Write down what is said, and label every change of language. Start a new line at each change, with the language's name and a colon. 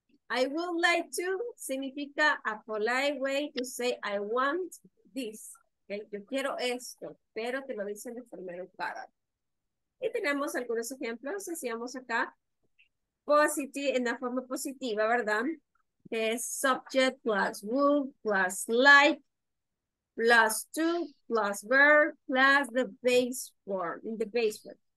English: I would like to significa a polite way to say I want this. ¿Okay?
Spanish: Yo quiero esto, pero te lo dicen de forma educada. Y tenemos algunos ejemplos, decíamos acá, positive, en la forma positiva, ¿verdad? Que es
English: subject plus would plus like plus to plus verb plus the base form, in the base form.